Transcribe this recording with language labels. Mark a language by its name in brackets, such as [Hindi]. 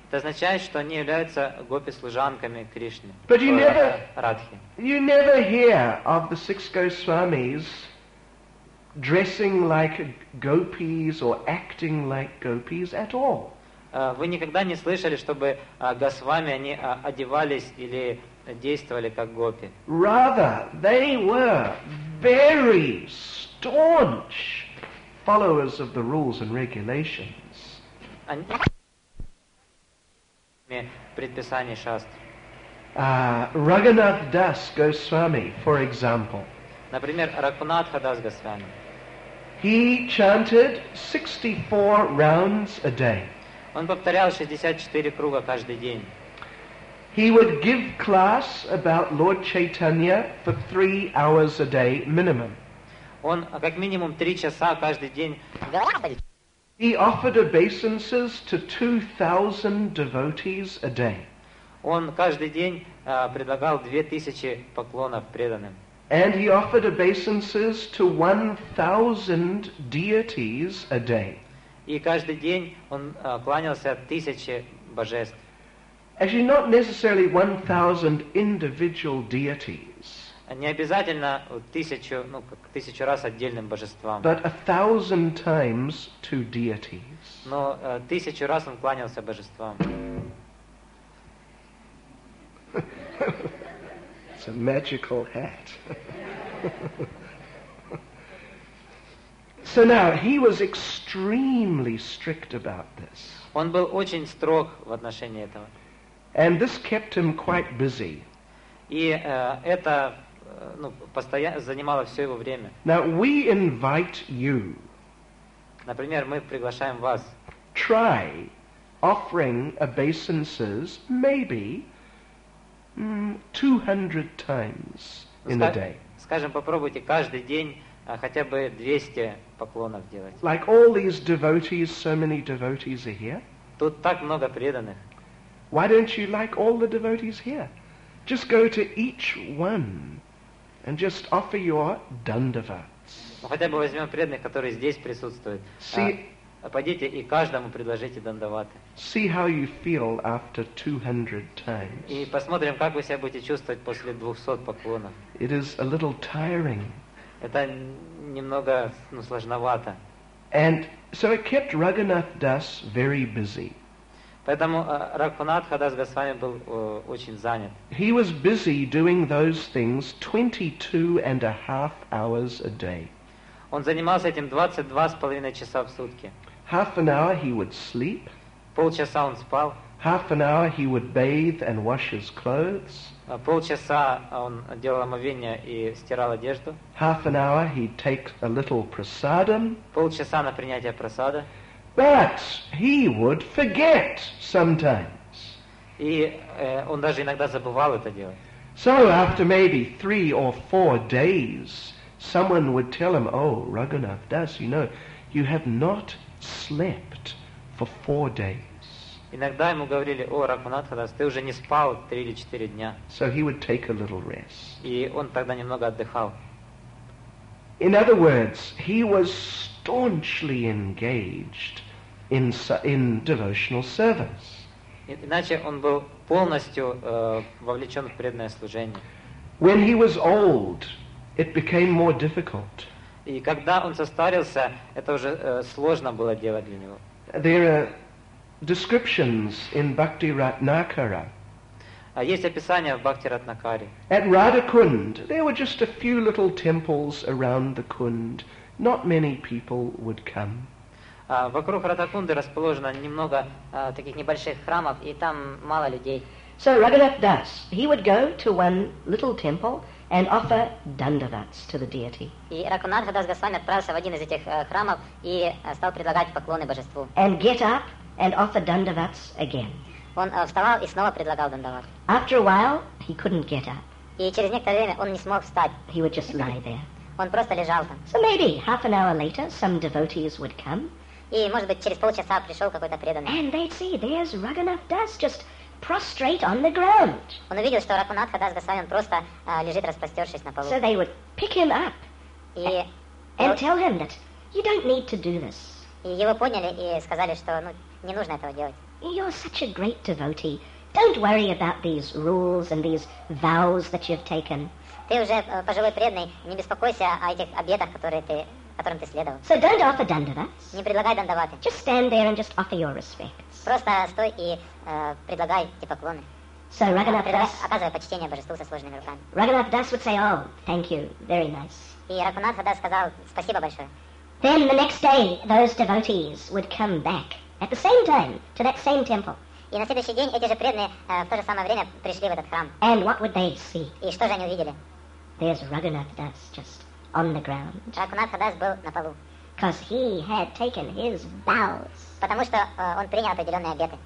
[Russian] Это означает, что они являются гопи-служанками Кришны. [English] But you never hear of the six Goswamis dressing like gopis or acting like gopis at all. [Russian] вы никогда не слышали, чтобы госвами они одевались или действовали как гопи. [English] Rather, they were very staunch followers of the rules and regulations. [Russian] Предписаний шастр. [English] Raghunath Das Goswami, for example. [Russian] Например, Raghunatha Das Goswami. [English] He chanted 64 rounds a day. [Russian] Он повторял 64 круга каждый день. [English] He would give class about Lord Chaitanya for 3 hours a day minimum. [Russian] Он как минимум 3 часа каждый день. [English] He offered obeisances to 2,000 devotees a day. [Russian] Он каждый день предлагал 2,000 поклонов преданным. [English] And he offered obeisances to 1,000 deities a day. [Russian] И каждый день он кланялся 1,000 божеств. [English] Actually, not necessarily 1,000 individual deities. [Russian] Не обязательно 1,000, ну как 1,000 раз отдельным божествам. [English] But 1,000 times to deities. [Russian] Но 1,000 раз он кланялся божествам. [English] It's a magical hat. So now he was extremely strict about this. [Russian] Он был очень строг в отношении этого. [English] And this kept him quite busy. [Russian] И это ну, постоянно занимало все его время. [English] Now we invite you. [Russian] Например, мы приглашаем вас. [English] Try offering obeisances maybe 200 times in a day. [Russian] Скажем, попробуйте каждый день хотя бы 200 поклонов делать. [English] Like all these devotees, so many devotees are here. [Russian] Тут так много преданных. [English] Why don't you like all the devotees here? Just go to each one and just offer your dandavats. [Russian] Ну, хотя бы возьмем преданных, которые здесь присутствуют. See, пойдите и каждому предложите дандаваты. [English] See how you feel after 200 times. [Russian] И посмотрим, как вы себя будете чувствовать после 200 поклонов. [English] It is a little tiring. [Russian] Это немного, ну, сложновато. [English] And so it kept Raghunath Das very busy. [Russian] Поэтому Raghunatha Das Goswami был очень занят. [English] He was busy doing those things 22 and a half hours a day. [Russian] Он занимался этим 22 с половиной часа в сутки. [English] Half an hour he would sleep. [Russian] Полчаса он спал. [English] Half an hour he would bathe and wash his clothes. [Russian] Полчаса он делал омовение и стирал одежду. [English] Half an hour he'd take a little prasadam. [Russian] Полчаса на принятие прасада. [English] But he would forget sometimes. [Russian] И он даже иногда забывал это делать. [English] So after maybe 3 or 4 days, someone would tell him, "Oh, Raghunath Das, you know, you have not slept for 4 days." [Russian] Иногда ему говорили: «О, Рагхунатха Дас, ты уже не спал 3 или 4 дня». [English] So he would take a little rest. [Russian] И он тогда немного отдыхал. [English] In other words, he was staunchly engaged in devotional service. [Russian] Иначе он был полностью вовлечен в преданное служение. [English] When he was old, it became more difficult. [Russian] И когда он состарился, это уже сложно было делать для него. [English] Descriptions in Bhakti Ratnakara. [Russian] Есть описание в Бхакти Ратнакаре. [English] At Radhakund, there were just a few little temples around the Kund. Not many people would come. [Russian] Вокруг Радхакунды расположено немного таких небольших храмов, и там мало людей. [English] So Raghunath Das, he would go to one little temple and offer dandavats to the deity. [Russian] И Raghunatha Das Goswami отправился в один из этих храмов и стал предлагать поклоны божеству. [English] And get up and offer dandavats again. [Russian] Он вставал и снова предлагал дандават. [English] After a while, he couldn't get up. [Russian] И через некоторое время он не смог встать. [English] He would just lie there. [Russian] Он просто лежал там. [English] So maybe half an hour later, some devotees would come. [Russian] И может быть через полчаса пришел какой-то преданный. [English] And they'd see there's Raghunath Das just prostrate on the ground. [Russian] Он увидел, что Raghunatha Das Goswami просто лежит распростершись на полу. [English] So they would pick him up and tell him that you don't need to do this. [Russian] И его подняли и сказали, что ну не нужно этого делать. [English] You're such a great devotee. Don't worry about these rules and these vows that you've taken. [Russian] Ты уже пожилой преданный, не беспокойся о этих обетах, которые ты которым ты следовал. [English] So don't offer dandavats. [Russian] Не предлагай дандаваты. [English] Just stand there and just offer your respects. [Russian] Просто стой и предлагай эти поклоны. [English] So Raghunath Das, [Russian] оказывая почтение божеству со сложными руками. [English] Raghunath Das would say, oh, thank you, very nice. [Russian] И Рагхунатха Дас сказал, спасибо большое. [English] Then the next day, those devotees would come back at the same time to that same temple. [Russian] И на следующий день эти же преданные в то же самое время пришли в этот храм. [English] And what would they see? [Russian] И что же они увидели? [English] There's Raghunath Das just on the ground. [Russian] Raghunatha Das был на полу. [English] Because he had taken his vows. [Russian] Потому что он принял определенные обеты.